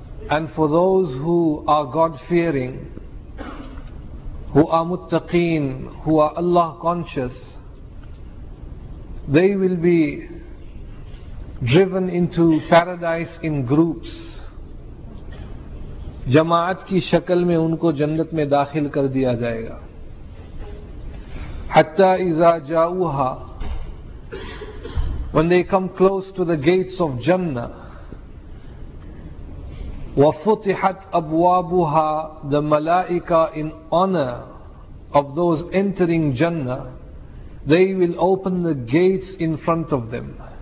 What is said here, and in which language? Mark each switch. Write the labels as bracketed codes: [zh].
[en] And for those who are God-fearing, who are muttaqeen, who are Allah-conscious, they will be driven into paradise in groups. [ur] جماعت کی شکل میں ان کو جنت میں داخل کر دیا جائے گا. [ar] حَتَّى اِذَا جَاؤُهَا. [en] When they come close to the gates of Jannah, [ar] وَفُتِحَتْ أَبْوَابُهَا. [en] The malaika, in honor of those entering Jannah, they will open the gates in front of them.